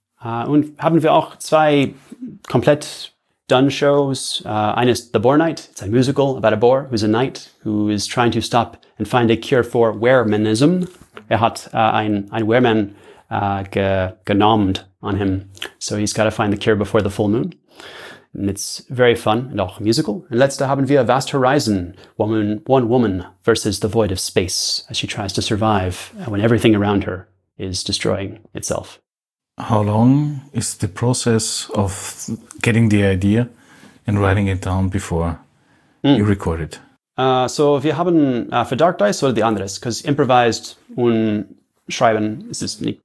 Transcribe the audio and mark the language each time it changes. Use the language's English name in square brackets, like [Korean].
[German] Und haben wir auch zwei komplett [English] done shows. [German] Eine ist The Boar Knight. [English] It's a musical about a boar who's a knight who is trying to stop and find a cure for weremanism. [German] Er hat ein Wehrmann genommen [English] on him. So he's got to find the cure before the full moon. And it's very fun and [German] auch musical. Und letzte haben wir Vast Horizon. [English] One woman versus the void of space as she tries to survive when everything around her is destroying itself. How long is the process of getting the idea and writing it down before you record it? [German] So wir haben für Dark Dice oder die anderes, [English] because improvised [German] und schreiben ist es nicht.